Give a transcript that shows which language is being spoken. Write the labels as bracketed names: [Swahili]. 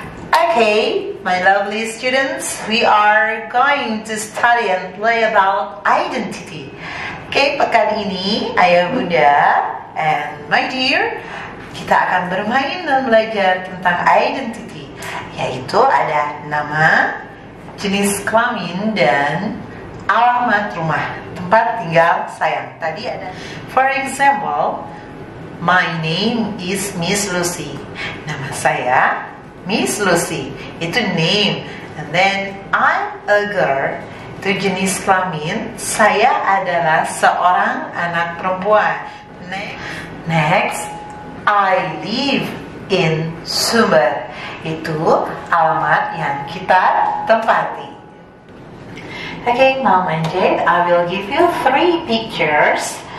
[English] Okay, my lovely students, we are going to study and play about identity. [Indonesian] Okay, pekan ini, ayah bunda, [English] and my dear, [Indonesian] kita akan bermain dan belajar tentang identity, yaitu ada nama, jenis kelamin, dan alamat rumah, tempat tinggal saya. Tadi ada, [English] for example, my name is Miss Lucy. [Indonesian] Nama saya Miss Lucy, itu name. [English] And then, I'm a girl, [Indonesian] itu jenis kelamin. Saya adalah seorang anak perempuan. [English] Next, I live in Sumber. [Indonesian] Itu alamat yang kita tempati. [English] Okay, Mom and Dad, I will give you three pictures.